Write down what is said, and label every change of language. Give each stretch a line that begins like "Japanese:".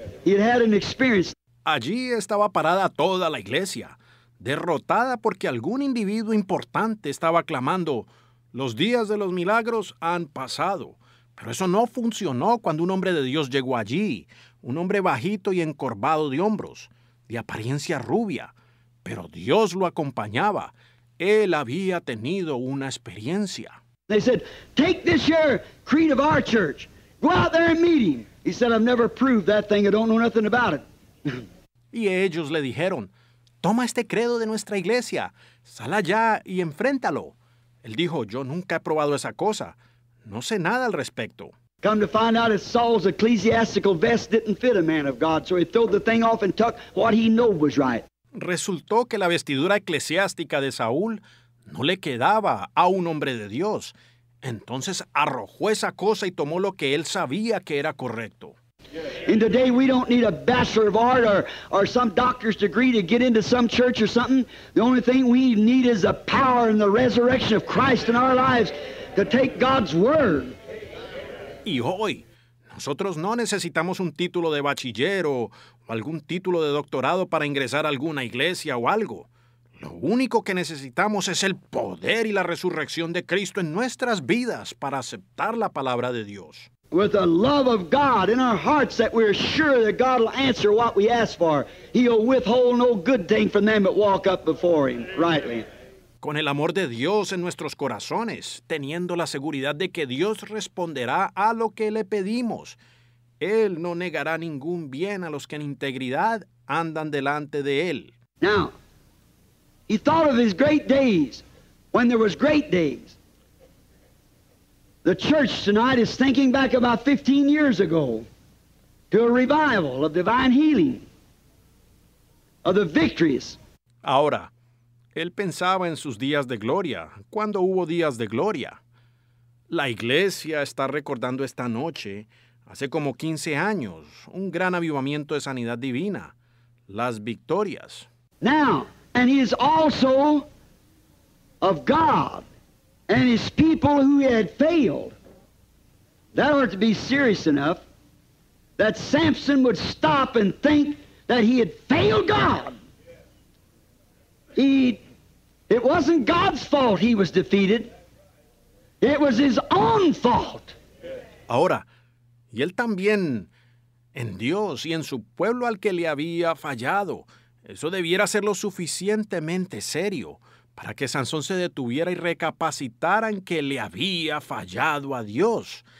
English: He had had an experience.
Spanish: Allí estaba parada toda la iglesia, derrotada porque algún individuo importante estaba clamando, los días de los milagros han pasado. Pero eso no funcionó cuando un hombre de Dios llegó allí, un hombre bajito y encorvado de hombros, de apariencia rubia. Pero Dios lo acompañaba. Él había tenido una experiencia.
English: They said, take this here creed of our church. Go out there and meet him. He said, I've never proved that thing. I don't know nothing about it.
Spanish: Y ellos le dijeron, toma este credo de nuestra iglesia. Sal allá y enfréntalo. Él dijo, yo nunca he probado esa cosa. No sé nada al respecto.
English: Come to find out that Saul's ecclesiastical vest didn't fit a man of God, so he threw the thing off and took what he knew was right.
Spanish: Resultó que la vestidura eclesiástica de Saúl no le quedaba a un hombre de Dios. Entonces arrojó esa cosa y tomó lo que él sabía que era correcto.
English: In today we don't need a bachelor of art or some doctor's degree to get into some church or something. The only thing we need is the power and the resurrection of Christ in our lives to take God's word.
Spanish: Y hoy, nosotros no necesitamos un título de bachiller o algún título de doctorado para ingresar a alguna iglesia o algo. Lo único que necesitamos es el poder y la resurrección de Cristo en nuestras vidas para aceptar la palabra de Dios.
English: With the love of God in our hearts that we're sure that God will answer what we ask for. He'll withhold no good thing from them that walk up before him rightly.
Spanish: Con el amor de Dios en nuestros corazones, teniendo la seguridad de que Dios responderá a lo que le pedimos. Él no negará ningún bien a los que en integridad andan delante de Él.
English: Now, he thought of his great days, when there was great days. The church tonight is thinking back about 15 years ago to a revival of divine healing, of the victories.
Spanish: Ahora, él pensaba en sus días de gloria, cuando hubo días de gloria. La iglesia está recordando esta noche, hace como 15 años, un gran avivamiento de sanidad divina, las victorias.
English: Now, and he is also of God and his people who had failed. That ought to be serious enough that Samson would stop and think that he had failed God. It wasn't God's fault he was defeated. It was his own fault.
Spanish: Ahora, y él también, en Dios y en su pueblo al que le había fallado, eso debiera ser lo suficientemente serio para que Sansón se detuviera y recapacitara en que le había fallado a Dios.